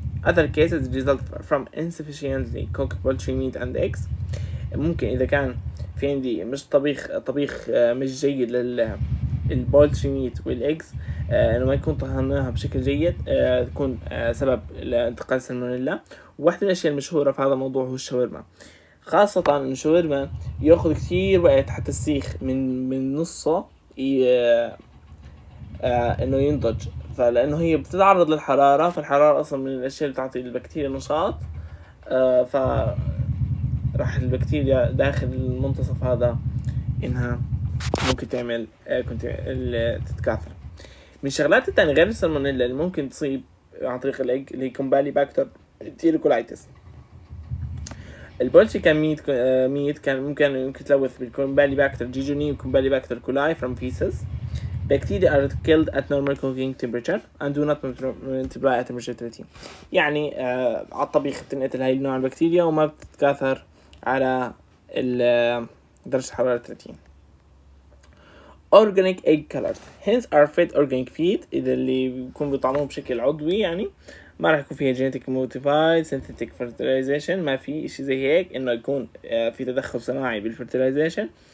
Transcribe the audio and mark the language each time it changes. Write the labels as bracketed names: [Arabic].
[English] Other cases result from insufficiently cooked poultry meat and eggs. [Arabic] ممكن اذا كان في عندي مش طبيخ مش جيد للبولتري ميت والإكس، انه ما يكون طهناها بشكل جيد تكون سبب لانتقال سالمونيلا. واحدة من الاشياء المشهورة في هذا الموضوع هو الشاورما، خاصة ان الشاورما ياخذ كثير وقت حتى السيخ من نصه انه ينضج، فلانه هي بتتعرض للحرارة، فالحرارة اصلا من الاشياء اللي بتعطي البكتيريا نشاط، ف راح البكتيريا داخل المنتصف هذا انها ممكن تعمل تتكاثر. من الشغلات الثانيه غير السالمونيلا اللي ممكن تصيب عن طريق الايج اللي هي كومبالي باكتر تيريكولايتس. البولتي كان ميت كان ممكن تلوث بالكومبالي باكتر جيجوني وكومبالي باكتر كولاي [English] from feces. Bacteria are killed at normal cooking temperature and do not multiply at temperature 30. [Arabic] يعني على الطبيخ بتنقتل هاي النوع البكتيريا وما بتتكاثر على درجة حرارة 30. [English] Organic egg colors hence are fed organic feed. [Arabic] إذا اللي بيكون بيطعموه بشكل عضوي يعني ما راح يكون فيها [English] genetic modified synthetic fertilization، [Arabic] ما في إشي زي هيك إنه يكون في تدخل صناعي بالfertilization.